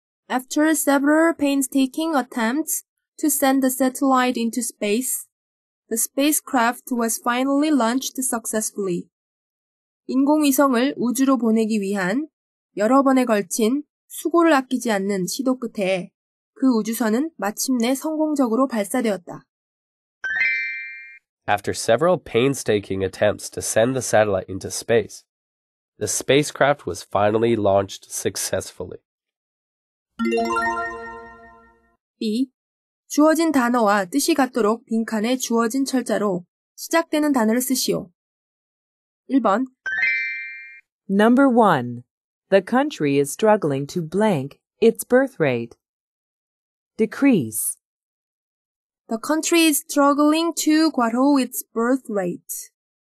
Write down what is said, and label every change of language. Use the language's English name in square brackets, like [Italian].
[English] After several painstaking attempts to send the satellite into space, the spacecraft was finally launched successfully. [Korean] 인공위성을 우주로 보내기 위한 여러 번에 걸친 수고를 아끼지 않는 시도 끝에 그 우주선은 마침내 성공적으로 발사되었다. [English] After several painstaking attempts to send the satellite into space, the spacecraft was finally launched successfully. B. [Korean] 주어진 단어와 뜻이 같도록 빈칸에 주어진 철자로 시작되는 단어를 쓰시오. 1번 [English] Number 1. The country is struggling to blank its birth rate. Decrease. The country is struggling to quadruple its birth rate.